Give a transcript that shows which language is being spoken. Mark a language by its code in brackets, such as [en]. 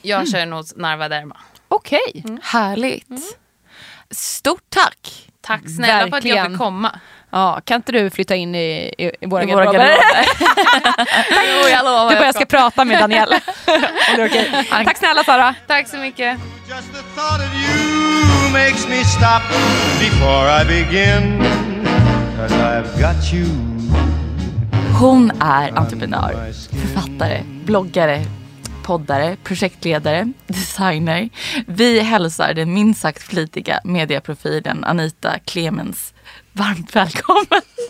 [sv] Jag kör hos Narva Derma. Okej. Mm. Härligt. Mm. Stort tack. Tack snälla verkligen. För att jag fick komma. Ja, kan inte du flytta in i våra garderober? Jo, jag lovar. Du bara, jag ska prata med Daniel. Tack snälla, Sara. Tack så mycket. [en] Just the thought of you makes me stop before I begin. 'Cause I've got you. [sv] Hon är entreprenör, författare, bloggare, poddare, projektledare, designer. Vi hälsar den minst sagt flitiga medieprofilen Anita Clemens. Varmt välkommen.